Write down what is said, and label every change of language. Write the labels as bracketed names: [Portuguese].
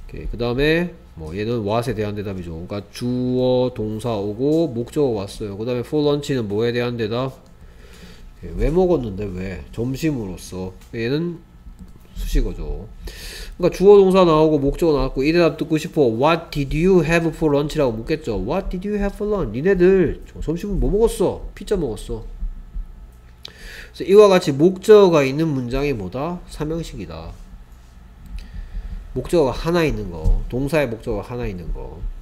[Korean] 그 다음에 뭐 얘는 what에 대한 대답이죠. 그러니까 주어, 동사 오고 목적어 왔어요. 그 다음에 [English] for lunch [Korean] 는 뭐에 대한 대답? 예, 왜 먹었는데 왜? 점심으로서. 얘는 수식어죠. 그러니까 주어, 동사 나오고 목적어 나왔고 이 대답 듣고 싶어. [English] What did you have for lunch [Korean] 라고 묻겠죠. [English] What did you have for lunch? [Korean] 니네들 점심은 뭐 먹었어? 피자 먹었어. 그래서 이와 같이 목적어가 있는 문장이 뭐다? 삼형식이다. 목적어가 하나 있는 거, 동사의 목적어가 하나 있는 거.